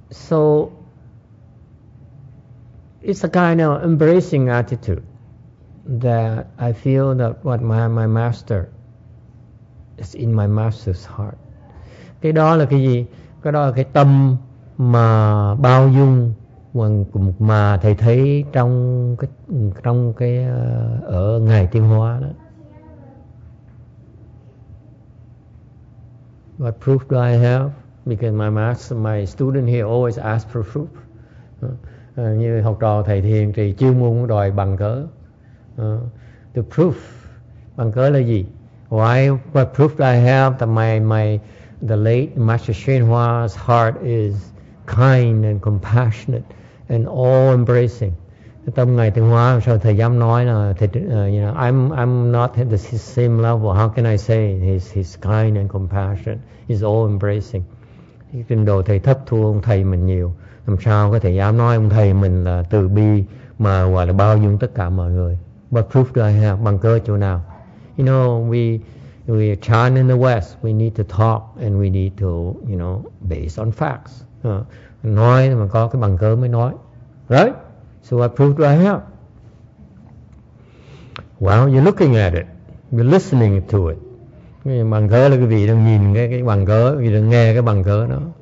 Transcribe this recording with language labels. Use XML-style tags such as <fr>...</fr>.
<en>And it's a kind of embracing attitude that I feel that what my master is in my master's heart.</en> <vi>Cái đó là cái gì? Cái đó là cái tâm mà bao dung mà thầy thấy trong cái ở ngài Tiên Hóa đó.</vi> <en>What proof do I have? Because my student here always ask for proof.</en> <vi>Như học trò thầy thiền trì chuyên môn đòi bằng cớ.</vi> <en>The proof,</en> <vi>bằng cớ là gì?</vi> <en>Why? What proof do I have that the late Master Shenhua's heart is kind and compassionate and all embracing?</en> <vi>Tâm ngài Tiên Hóa sao thầy dám nói là thầy,</vi> <en>I'm not at the same level. How can I say he's kind and compassionate? He's all embracing.</en> <vi>Trình độ thầy thấp thua ông thầy mình nhiều. Làm sao có thể dám nói ông thầy mình là từ bi mà gọi là bao dung tất cả mọi người?</vi> <en>What proof do I have?</en> <vi>Bằng cơ chỗ nào?</vi> <en>You know, we are China in the West. We need to talk and we need to, you know, based on facts.</en> <vi>Nói mà có cái bằng cơ mới nói.</vi> <en>Right? So what proof do I have? Well, you're looking at it. You're listening to it.</en> <vi>Bằng cớ là quý vị đang nhìn cái bằng cớ, quý vị đang nghe cái bằng cớ đó.</vi>